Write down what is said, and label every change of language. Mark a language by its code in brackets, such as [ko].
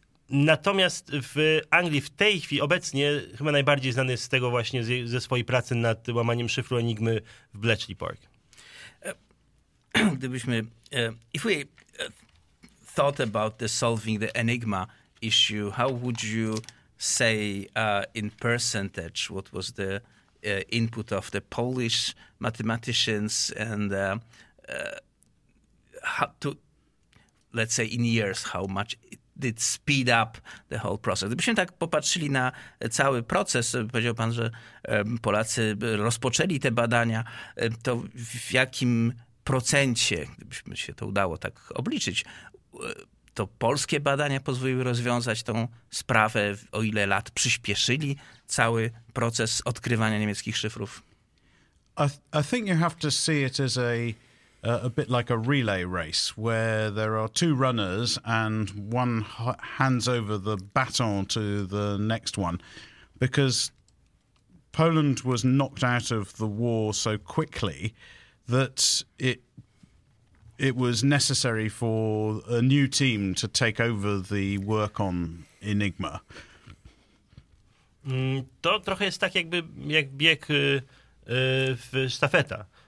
[pl] Natomiast w Anglii w tej chwili obecnie chyba najbardziej znany jest z tego właśnie ze swojej pracy nad łamaniem szyfru Enigmy w Bletchley Park. Gdybyśmy [en] if we thought about the solving the Enigma issue, how would you say in percentage what was the input of the Polish mathematicians and let's say in years how much did speed up the whole process. [pl] Gdybyśmy tak popatrzyli na cały proces, powiedział pan, że Polacy rozpoczęli te badania, to w jakim procencie, gdybyśmy się to udało tak obliczyć, to polskie badania pozwoliły rozwiązać tą sprawę, o ile lat przyspieszyli cały proces odkrywania niemieckich szyfrów? [en] I think you have to see it as a bit like a relay race where there are two runners and one hands over the baton to the next one, because Poland was knocked out of the war so quickly that it was necessary for a new team to take over the work on Enigma. [pl] To trochę jest tak jakby jak bieg w sztafeta.